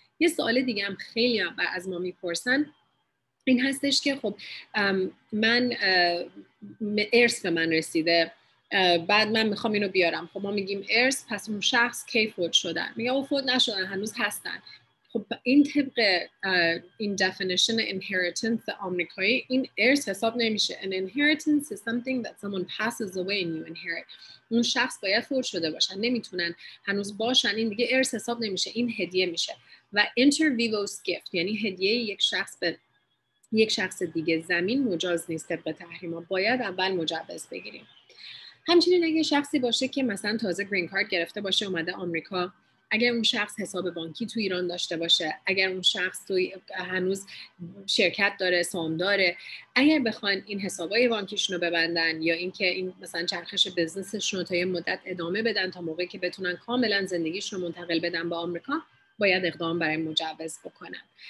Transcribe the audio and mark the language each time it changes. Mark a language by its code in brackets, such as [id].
[fa] یه سوال دیگه هم خیلی از ما میپرسن این هستش که خب من ارث به من رسیده، بعد من میخوام اینو بیارم. خب ما میگیم ارث، پس اون شخص کی فوت شدن؟ میگه او فوت نشدن، هنوز هستن. خب این طبق این definition inheritance آمریکایی این ارث حساب نمیشه. [en] An inheritance is something that someone passes away and you inherit. [fa] اون شخص باید فوت شده باشن، نمیتونن هنوز باشن، این دیگه ارث حساب نمیشه، این هدیه میشه. و inter vivos gift یعنی هدیه یک شخص به یک شخص دیگه، زمین مجاز نیست طبق تحریم ها، باید اول مجوز بگیریم. همچنین اگه شخصی باشه که مثلا تازه گرین کارت گرفته باشه اومده آمریکا، اگر اون شخص حساب بانکی تو ایران داشته باشه، اگر اون شخص توی هنوز شرکت داره، سهام داره، اگر بخواین این حسابای بانکیشونو ببندن یا اینکه این مثلا چرخش بزنسشون رو تا یه مدت ادامه بدن تا موقعی که بتونن کاملا زندگیشون رو منتقل بدن به آمریکا، باید اقدام برای مجوز بکنن.